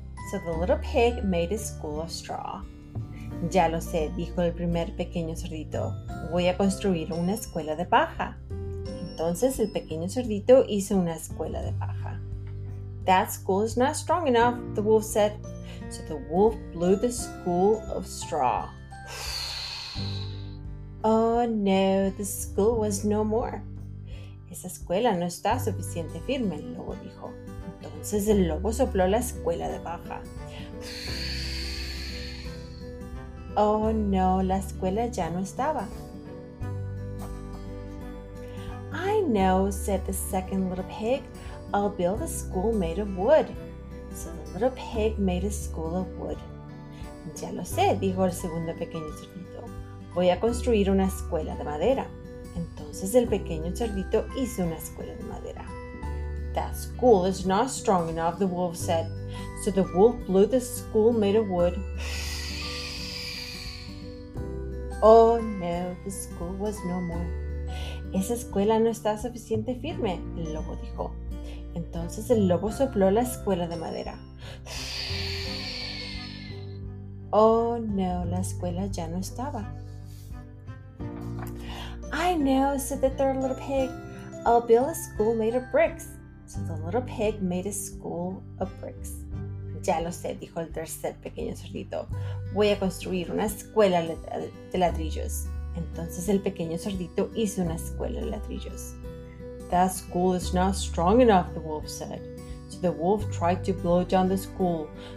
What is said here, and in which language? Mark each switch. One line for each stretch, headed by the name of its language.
English: So the little pig made a school of straw.
Spanish: Ya lo sé, dijo el primer pequeño cerdito. Voy a construir una escuela de paja. Entonces el pequeño cerdito hizo una escuela de paja.
English: That school is not strong enough, the wolf said. So the wolf blew the school of straw. Oh no, the school was no more.
Spanish: Esa escuela no está suficiente firme, el lobo dijo. Entonces el lobo sopló la escuela de paja. Oh no, la escuela ya no estaba.
English: I know, said the second little pig. I'll build a school made of wood. So the little pig made a school of wood.
Spanish: Ya lo sé, dijo el segundo pequeño cerdito. Voy a construir una escuela de madera. Entonces el pequeño cerdito hizo una escuela de madera.
English: That school is not strong enough, the wolf said. So the wolf blew the school made of wood. Oh no, the school was no more.
Spanish: Esa escuela no está suficiente firme, el lobo dijo. Entonces el lobo sopló la escuela de madera. Oh no, la escuela ya no estaba.
English: I know, said the third little pig. I'll build a school made of bricks. So the little pig made a school of bricks.
Spanish: Ya lo sé, dijo el tercer pequeño cerdito. Voy a construir una escuela de ladrillos. Entonces el pequeño cerdito hizo una escuela de ladrillos.
English: That school is not strong enough, the wolf said. So the wolf tried to blow down the school.